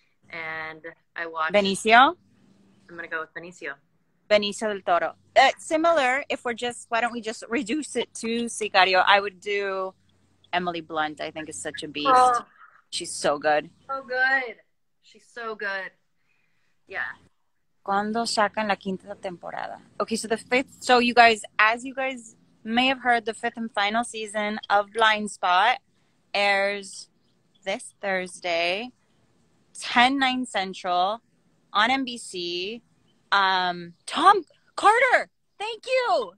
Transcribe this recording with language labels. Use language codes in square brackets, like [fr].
[en] And I watched. Benicio? I'm going to go with Benicio. Benicio del Toro. Similar, if we're just, why don't we just reduce it to Sicario? I would do Emily Blunt, I think, is such a beast. Oh, she's so good. So good. She's so good. Yeah. [es] ¿Cuándo sacan la quinta temporada? [en] Okay, so the fifth, so you guys, as you guys may have heard, the fifth and final season of Blindspot airs this Thursday, 10/9 Central on NBC. Tom Carter, thank you.